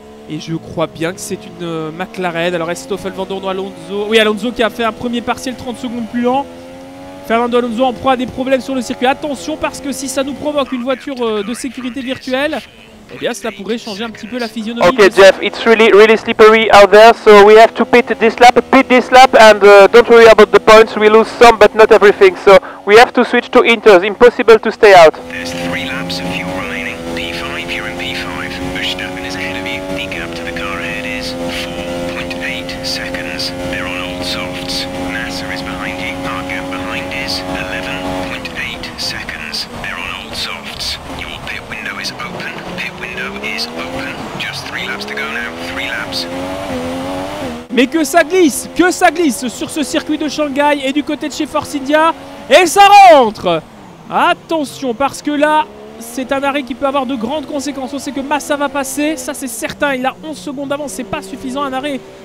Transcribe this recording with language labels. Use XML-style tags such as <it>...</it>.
<fr>Et je crois bien que c'est une McLaren. Alors, est-ce Stoffel Vandoorne ou Alonso? Oui, Alonso qui a fait un premier partiel 30 secondes plus lent. Fernando Alonso en proie à des problèmes sur le circuit. Attention, parce que si ça nous provoque une voiture de sécurité virtuelle, eh bien, cela pourrait changer un petit peu la physionomie.</fr> <en>Ok, Jeff, it's really, really slippery out there, so we have to pit this lap. Pit this lap and don't worry about the points. We lose some, but not everything. So we have to switch to inters. Impossible to stay out. There's three laps of fuel remaining. P5, you're in P5. Verstappen is ahead of you. The gap to the car ahead is 4.8 seconds. They're on old softs. NASA is behind you. Our gap behind is 11.8 seconds. They're on old softs. Your pit window is open. Pit window is open. Just three laps to go now. Three laps.</en> <fr>Mais que ça glisse sur ce circuit de Shanghai et du côté de chez Force India. Et ça rentre! Attention, parce que là, c'est un arrêt qui peut avoir de grandes conséquences. On sait que Massa va passer, ça c'est certain. Il a 11 secondes d'avance, c'est pas suffisant un arrêt.</fr>